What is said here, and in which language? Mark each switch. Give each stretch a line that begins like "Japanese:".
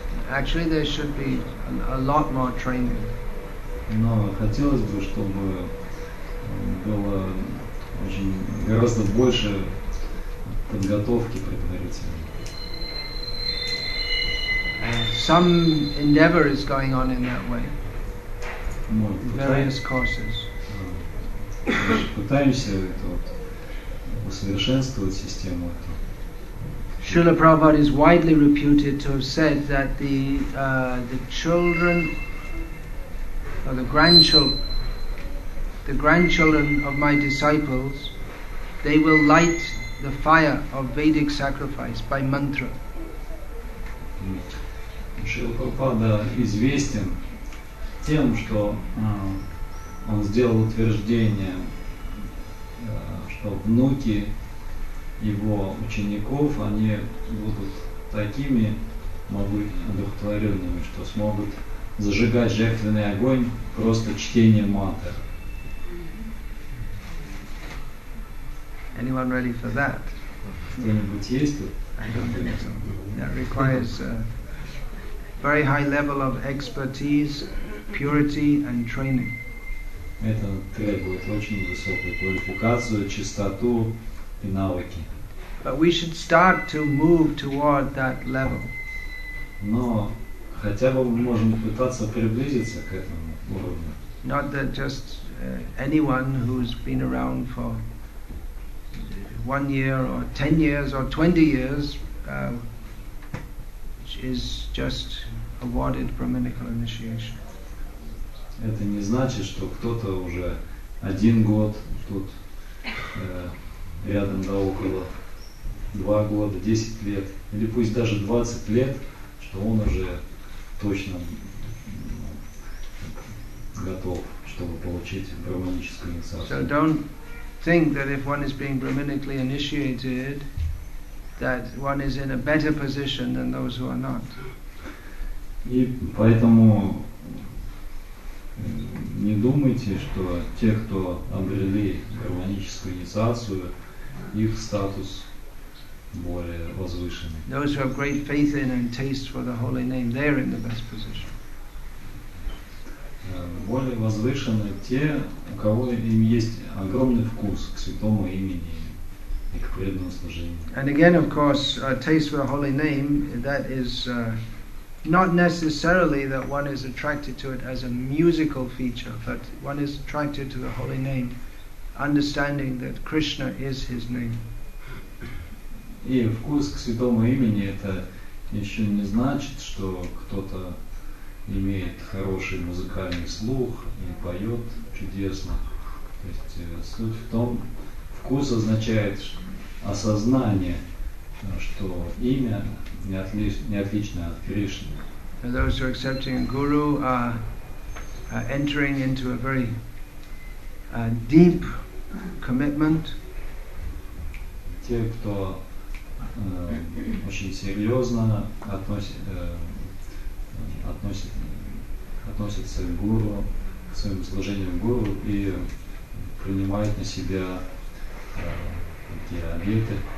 English: Actually, there should be a lot more training.
Russian: Но хотелось бы, чтобы было очень гораздо больше подготовки предварительной.
English: Some endeavor is going on in that way.
Russian: Мы
English: various courses.
Russian: Пытаемся это вот усовершенствовать систему.
English: Srila Prabhupada is widely reputed to have said that the children or the grandchildren of my disciples, they will light the fire of Vedic sacrifice by mantra.
Russian: Srila Prabhupada известен тем, что он сделал утверждение, что внуки его учеников, они будут такими одухотворенными, что смогут зажигать жертвенный огонь просто чтением мантры.
English: Anyone ready for that?
Russian: Кто-нибудь есть тут?
English: I don't think so. That requires a very high level of expertise, purity and training.
Russian: Это требует очень высокую квалификацию, чистоту и навыки.
English: But we should start to move toward that level.
Russian: Но хотя бы мы можем пытаться приблизиться к этому уровню.
English: Not that just anyone who's been around for 1 year or 10 years or 20 years is just awarded brahminical initiation.
Russian: Это не значит, что кто-то уже один год тут рядом да около. 2 года, 10 лет, или пусть даже 20 лет, что он уже точно готов, чтобы получить брахманическую инициацию.
English: So don't think that if one is being brahminically initiated, that one is in a better position than those who are not.
Russian: И поэтому не думайте, что те, кто обрели брахманическую инициацию, их статус более возвышенный.
English: Those who have great faith in and taste for the holy name, they are in the best position.
Russian: Более возвышенные те, у кого им есть огромный вкус к святому имени и к преданному служению.
English: And again, of course, a taste for the holy name, that is not necessarily that one is attracted to it as a musical feature, but one is attracted to the holy name, understanding that Krishna is his name.
Russian: И вкус к святому имени это еще не значит, что кто-то имеет хороший музыкальный слух и поет чудесно. То есть суть в том, вкус означает осознание, что имя не отлично от Кришны.
English: And those who are accepting a guru are entering into a very deep commitment.
Russian: Те, кто очень серьезно относится к гуру, к своему служению гуру и принимает на себя такие обеты.